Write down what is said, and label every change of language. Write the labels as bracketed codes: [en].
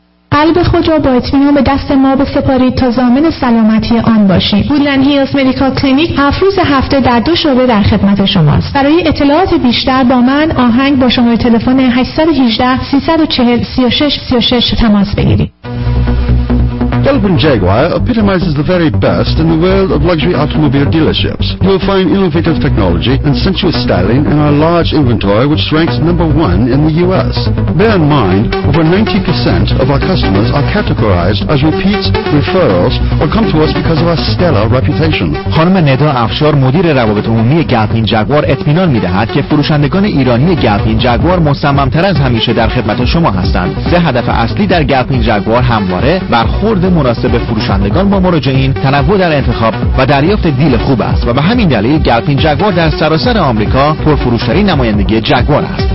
[fa] قلب خود را با اطمینان به دست ما بسپارید تا ضامن سلامتی آن باشیم. وودلند هیلز مدیکال کلینیک 7 روز هفته در 2 شعبه در خدمت شماست. برای اطلاعات بیشتر با من آهنگ با شماره تلفن 818-340-3636 تماس بگیرید. [en] Kelvin Jaguar epitomizes the very best in the world of luxury automobile dealerships. You'll find innovative technology and sensuous styling in our large inventory, which ranks number 1 in the U.S. Bear in mind, over 90% of our customers are categorized as repeats, referrals, or come to us because of our stellar reputation. [fa] خانم ندا افشار مدیر روابط عمومی گلوین جگوار اطمینان می‌دهد که فروشندگان ایرانی گلوین جگوار مصمم‌تر از همیشه در خدمت شما هستند. 3 هدف اصلی در گلوین جگوار همواره برخورد مناسب فروشندگان با مراجعین، تنوع در انتخاب و دریافت دیل خوب است و به همین دلیل گلوین جگوار در سراسر آمریکا پرفروش‌ترین نمایندگی جگوار است.